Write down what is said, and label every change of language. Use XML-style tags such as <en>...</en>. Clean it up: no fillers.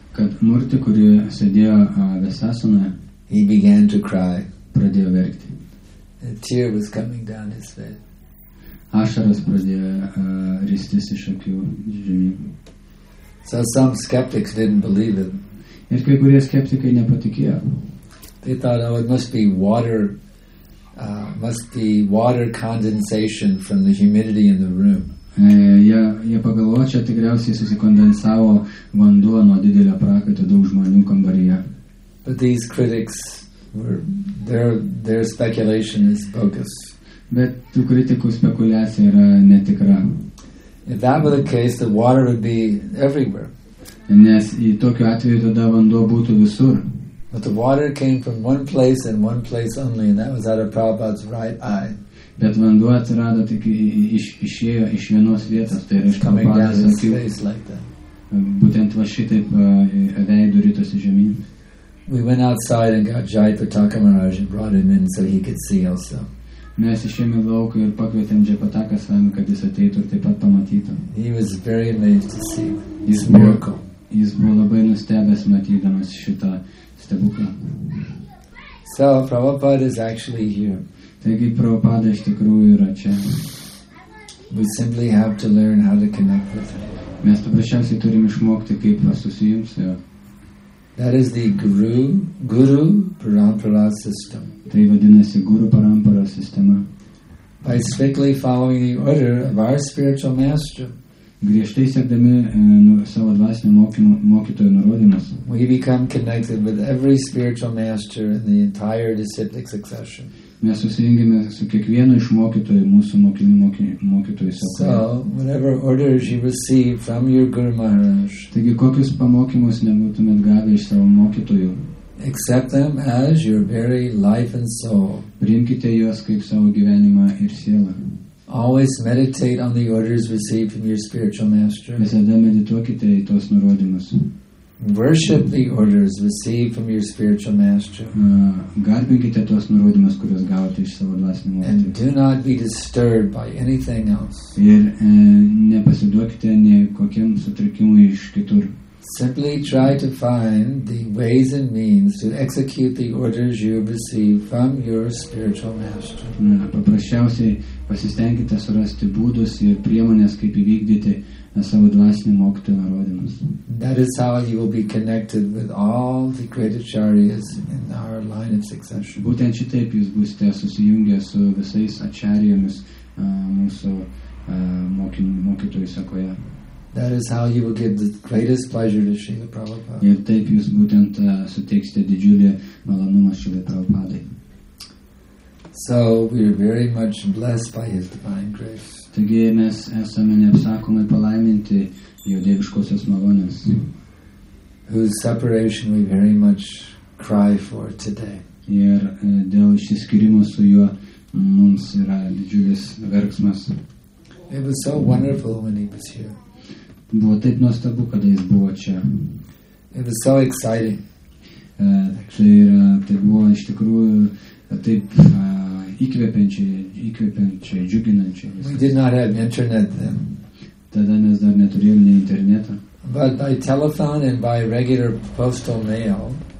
<lt>Kad murti, kuri sėdėjo Vyasasanoje,</lt> <en>he began to cry.</en> <lt>Pradėjo verkti.</lt> <en>A tear was coming down his face.</en> <lt>Ašaras pradėjo ristis iš akių žemyn.</lt> <en>So some skeptics didn't believe it.</en> <lt>Ir kai kurie skeptikai nepatikėjo.</lt> <en>They thought, oh, it must be water condensation from the humidity in the room.</en> <lt>Jie pagalvo, čia tikriausiai susikondensavo vanduo nuo didelio prakaito daug žmonių kambaryje.</lt> <en>But these critics were, their speculation is bogus.</en> <lt>Bet tų kritikų spekuliacija yra netikra.</lt> <en>If that were the case, the water would be everywhere.</en> <lt>Nes į tokiu atveju tada vanduo būtų visur.</lt> <en>But the water came from one place and one place only, and that was out of Prabhupada's right eye.</en> <lt>Bet vanduo atsirado tik išėjo iš vienos vietos, tai yra iš Prabhupados akių. Būtent va šitaip veidu rytosi žemyn.</lt> <en>We went outside and got Jai Pataka Maharaj and brought him in so he could see also.</en> <lt>Mes išėmė lauk ir pakvietėm Jai Pataka Swami, kad jis ateitų ir taip pat pamatytų.</lt> <en>He was very amazed to see this miracle.</en> <lt>Jis buvo labai nustebęs matydamas šitą stebuklą.</lt> <en>So, Prabhupada is actually here.</en> <lt>Taigi, Prabhupada iš tikrųjų yra čia.</lt> <en>We simply have to learn how to connect with him.</en> <lt>Mes paprasčiausiai turim išmokti, kaip susijungti su juo.</lt> <en>That is the guru parampara system.</en> <lt>Tai vadinasi guru parampara sistema.</lt> <en>By strictly following the order of our spiritual master,</en> <lt>griežtai sekdami savo dvasinio mokytojo nurodymus,</lt> <en>we become connected with every spiritual master in the entire disciplic succession.</en> <lt>Mes susijungiame su kiekvienu iš mokytojų mūsų mokytojų sekoje.</lt> <en>So, whatever orders you receive from your Guru Maharaj,</en> <lt>taigi kokius pamokymus nebūtumėt gavę iš savo mokytojų,</lt> <en>accept them as your very life and soul.</en> <lt>Priimkite juos kaip savo gyvenimą ir sielą.</lt> <en>Always meditate on the orders received from your spiritual master.</en> <lt>Visada medituokite į tuos nurodymus.</lt> <en>Worship the orders received from your spiritual master.</en> <lt>Garbinkite tuos nurodymus, kuriuos gavote iš savo dvasinio mokytojo.</lt> <en>And do not be disturbed by anything else.</en> <lt>Ir nepasiduokite nei kokiam sutrikimui iš kitur.</lt> <en>Simply try to find the ways and means to execute the orders you receive from your spiritual master.</en> <lt>Paprasčiausiai pasistengite surasti būdus ir priemonės, kaip įvykdyti savo dvasinį mokytojų nurodymus.</lt> <en>That is how you will be connected with all the great acharyas in our line of succession.</en> <lt>Būtent šitaip jūs būsite susijungę su visais acharyomis mūsų mokytojų sekoje.</lt> <en>That is how you will give the greatest pleasure to Srila Prabhupada.</en> <lt>Ir taip jūs būtent suteiksite didžiulį malonumą Srila Prabhupadai.</lt> <en>So we are very much blessed by his divine grace.</en> <lt>Taigi mes esame neapsakomai palaiminti jo dieviškosios malonės.</lt> <en>Whose separation we very much cry for today.</en> <lt>Ir dėl išsiskyrimo su juo mums yra didžiulis verksmas.</lt> <en>It was so wonderful when he was here.</en> <lt>Buvo taip nuostabu, kada jis buvo čia.</lt> <en>It was so exciting.</en> <lt>Tai buvo iš tikrųjų taip įkvepiančiai, džiuginančiai.</lt> <en>We did not have internet then.</en> <lt>Tada mes dar neturėjom nei interneto.</lt> <en>But by telephone and by regular postal mail.</en>